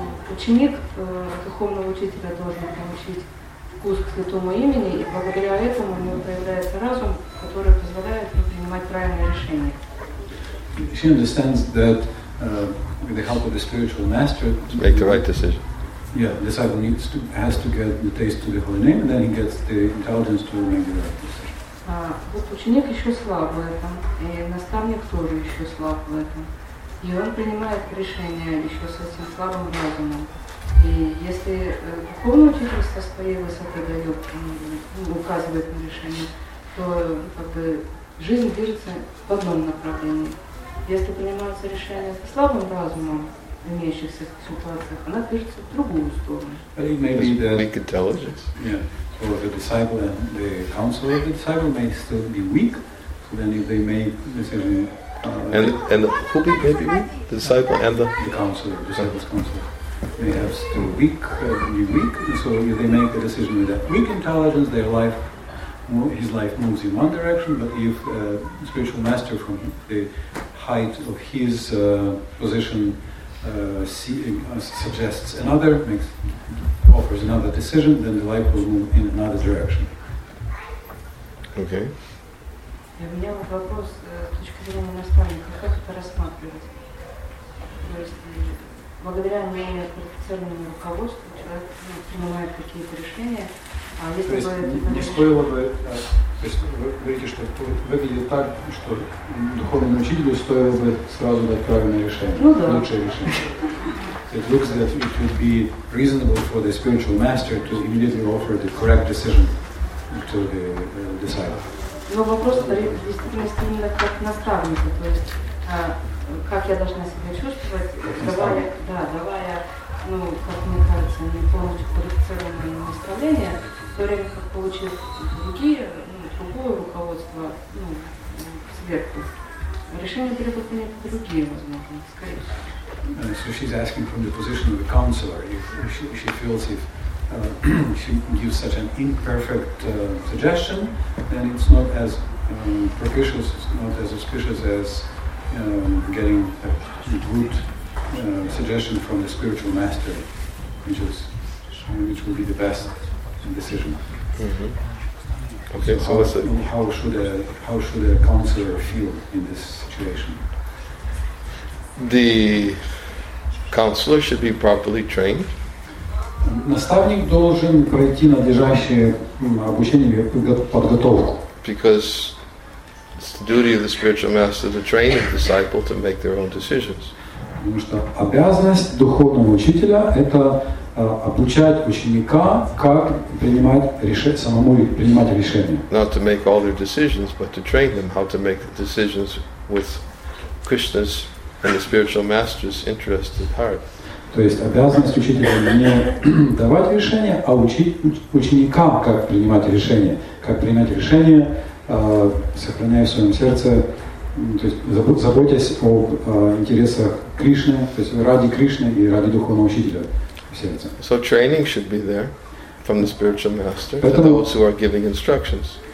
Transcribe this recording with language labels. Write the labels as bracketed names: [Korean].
[Russian] Ученик духовного учителя должен получить вкус к святому имени, и благодаря этому у него появляется разум, который позволяет принимать правильные решения. [English] she understands that with the help of the spiritual master to make the right decision. Yeah, the disciple needs to has to get the taste to the holy name, and then he gets the intelligence to make the right decision. [Russian] Вот ученик еще слаб в этом, и наставник тоже еще слаб в этом. И он принимает решение еще с этим слабым разумом. И если духовное учительство с твоей высоты дает, указывает на решение, то как бы жизнь движется в одном направлении. Если принимается решение со слабым разумом в имеющихся ситуациях, она движется в другую сторону. [English] Or the disciple and the counsel of the disciple may still be weak, so then if they make decision... The disciple and the... The counselor, the disciple's counselor. They have still weak, be weak, and so if they make the decision with that weak intelligence, their life, his life moves in one direction, but if a spiritual master from the height of his position suggests another, makes... offers another decision, then the life will move in another direction. Okay. [Russian] У меня вот вопрос с точки зрения наставника, как это рассматривать? То есть благодаря неквалифицированному руководству человек принимает какие-то решения, а если бы это не стоило бы, то есть вы говорите, что выглядит так, что духовному учителю стоило бы сразу дать правильное решение, лучшее решение. [English] It looks that it would be reasonable for the spiritual master to immediately offer the correct decision to the disciple. [Russian] Но вопрос действительно именно как наставника, то есть как я должна себя чувствовать, давая, ну, как мне кажется, не полностью квалифицированное наставление, в то время как получив другие, другое руководство, ну, сверху, решение перевыполнит другие возможности, скорее всего. [English] So she's asking from the position of a counselor, if she feels if she gives such an imperfect suggestion, then it's not as propitious, it's not as auspicious as getting a good suggestion from the spiritual master, which will be the best decision. Mm-hmm. Okay, so how should a counselor feel in this situation? The counselor should be properly trained. [Russian] Наставник должен пройти надлежащее обучение и подготовку. [English] Because it's the duty of the spiritual master to train the disciple to make their own decisions. [Russian] Потому что обязанность духовного учителя это обучать ученика, как принимать решения. [English] Not to make all their decisions, but to train them how to make the decisions with Krishna's and the spiritual master's interested heart. [Russian] То есть обязанность учителя не давать решения, а учить ученикам, как принимать решения, сохраняя в своем сердце, то есть заботясь об интересах Кришны, то есть ради Кришны и ради духовного учителя в сердце. [English] So training should be there from the spiritual master to those who are giving instructions.